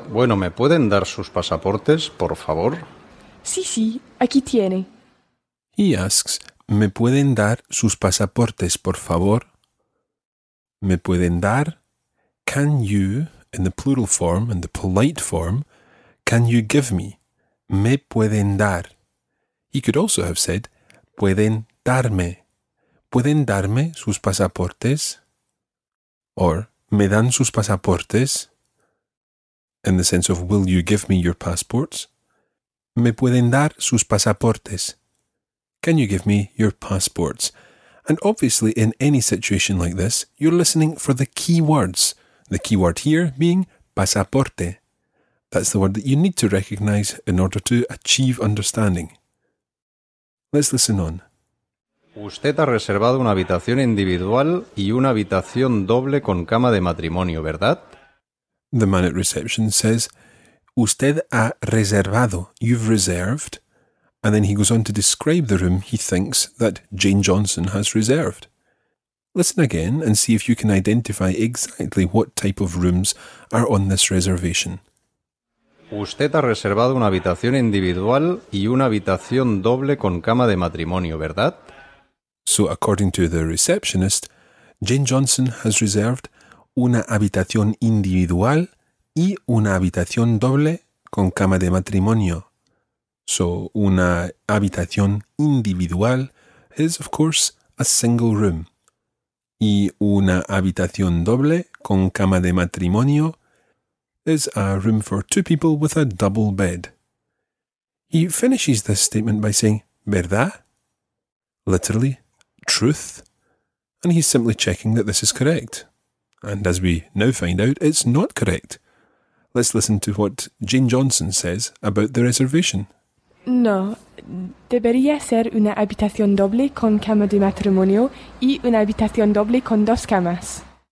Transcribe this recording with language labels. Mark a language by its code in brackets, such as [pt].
[es] Bueno, ¿me pueden dar sus pasaportes, por favor? Sí, sí, aquí tiene. [en] He asks, [es] ¿me pueden dar sus pasaportes, por favor? ¿Me pueden dar? [en] Can you, in the plural form and the polite form, can you give me? [es] Me pueden dar. [en] He could also have said, [es] pueden darme. Pueden darme sus pasaportes. Or, me dan sus pasaportes. [en] In the sense of, will you give me your passports? [es] Me pueden dar sus pasaportes. [en] Can you give me your passports? And obviously, in any situation like this, you're listening for the key words. The key word here being pasaporte. That's the word that you need to recognize in order to achieve understanding. Let's listen on. [es] Usted ha reservado una habitación individual y una habitación doble con cama de matrimonio, ¿verdad? [en] The man at reception says, [es] Usted ha reservado, [en] you've reserved. And then he goes on to describe the room he thinks that Jane Johnson has reserved. Listen again and see if you can identify exactly what type of rooms are on this reservation. [es] Usted ha reservado una habitación individual y una habitación doble con cama de matrimonio, ¿verdad? [en] So, according to the receptionist, Jane Johnson has reserved [es] una habitación individual y una habitación doble con cama de matrimonio. [en] So, [es] una habitación individual [en] is, of course, a single room. [es] Y una habitación doble con cama de matrimonio [en] is a room for two people with a double bed. He finishes this statement by saying, [es] ¿verdad? [en] Literally, truth. And he's simply checking that this is correct. And as we now find out, it's not correct. Let's listen to what Jane Johnson says about the reservation. [es] No, debería ser una habitación doble con cama de matrimonio y una habitación doble con dos camas.